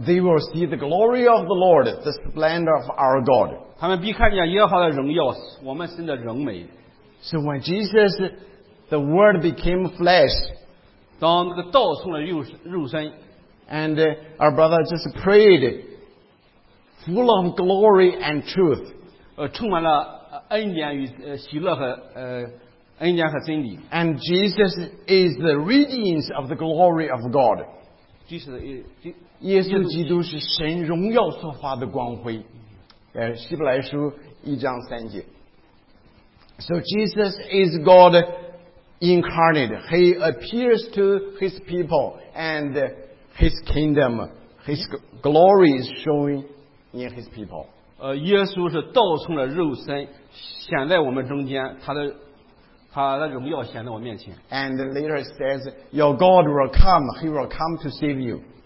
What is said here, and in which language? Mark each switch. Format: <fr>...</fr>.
<en>They will see the glory of the Lord, the splendor of our God.</en> <zh>他们必看见耶和华的荣耀，我们神的荣美。</zh> <en>So when Jesus, the Word became flesh,</en> <zh>当那个道成了肉身。</zh> <en>And our brother just prayed, full of glory and truth.</en> <zh>充满了恩典与喜乐和恩典和真理。</zh> <en>And Jesus is the radiance of the glory of God. Jesus,</en> <zh>耶稣基督是神荣耀所发的光辉。希伯来书一章三节。</zh> <en>So Jesus is God incarnate. He appears to his people and His kingdom, His glory is showing in His people.</en> <zh>耶稣是道成了肉身，显在我们中间，他的荣耀显在我面前。</zh> <en>And later it says, Your God will come, He will come to save you.</en>